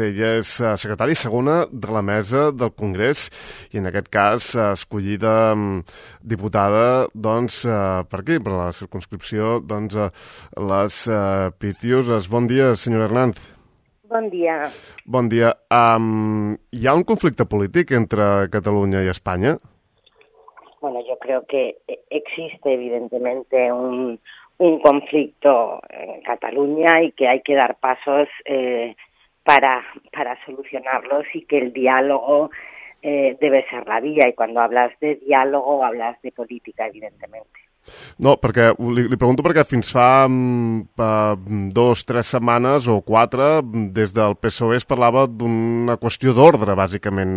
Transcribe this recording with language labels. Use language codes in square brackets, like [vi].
[ca] Ella és secretària segona de la mesa del Congrés i en aquest cas escollida diputada doncs, per aquí, per la circumscripció doncs, les Pitiuses. Bon dia, senyora Hernández. Bon dia. Bon dia. Hi ha un conflicte polític entre Catalunya i Espanya? [es] Bueno, yo creo que existe evidentemente un conflicto en Cataluña y que hay que dar pasos para solucionarlos y que el diálogo debe ser la vía. Y cuando hablas de diálogo, hablas de política, evidentemente. [ca] No, perquè li pregunto perquè fins fa 2, 3 setmanes o 4, des del PSOE es parlava d'una qüestió d'ordre, bàsicament.